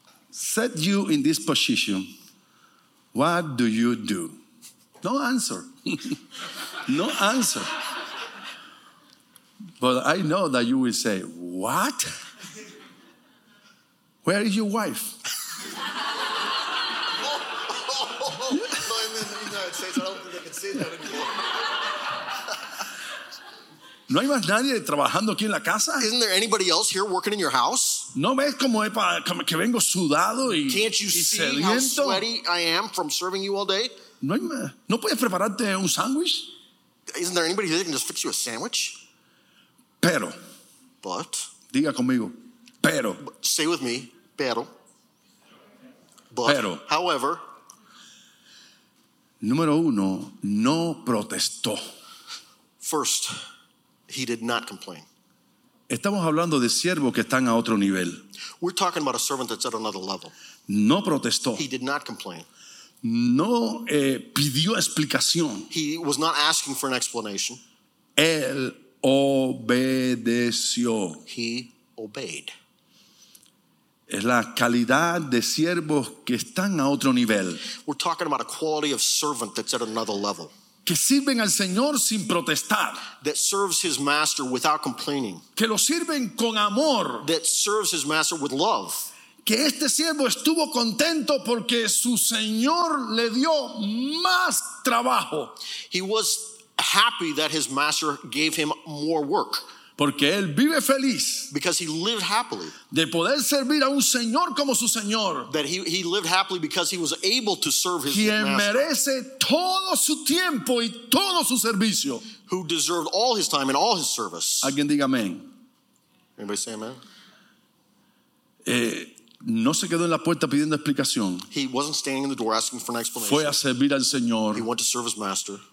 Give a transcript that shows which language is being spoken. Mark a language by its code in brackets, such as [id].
[en] Set you in this position. What do you do? No answer. No answer. But I know that you will say, what? Where is your wife? No, I'm in the United States. I don't think they can say that anymore. [es] ¿No hay más nadie trabajando aquí en la casa? [en] Isn't there anybody else here working in your house? [es] ¿No ves como que vengo sudado y sediento? [en] Can't you see how sweaty I am from serving you all day? [es] ¿No puedes prepararte un sándwich? [en] Isn't there anybody here that can just fix you a sandwich? [es] Pero. [en] But. [es] Diga conmigo. Pero. [en] Say with me. [es] Pero. [en] But. [es] Pero. [en] However. [es] Número uno, no protestó. [en] First. He did not complain. [es] Estamos hablando de siervos que están a otro nivel. [en] We're talking about a servant that's at another level. [es] No protestó. [en] He did not complain. [es] No pidió explicación. [en] He was not asking for an explanation. [es] Él obedeció. [en] He obeyed. [es] Es la calidad de siervos que están a otro nivel. [en] We're talking about a quality of servant that's at another level. [es] Que sirven al Señor sin protestar. [en] That serves his master without complaining. [es] Que lo sirven con amor. [en] That serves his master with love. [es] Que este siervo estuvo contento porque su Señor le dio más trabajo. [en] He was happy that his master gave him more work. [es] Porque él vive feliz. [en] Because he lived happily. [es] De poder servir a un Señor como su Señor. [en] That he lived happily because he was able to serve his [es] quien [en] master. [es] Quien merece todo su tiempo y todo su servicio. [en] Who deserved all his time and all his service. [es] Alguien diga amén. [en] Anybody say amen? [es] No se quedó en la puerta pidiendo explicación. [en] He wasn't standing in the door asking for an explanation. [es] Fue a servir al Señor. [en] He went to serve his master.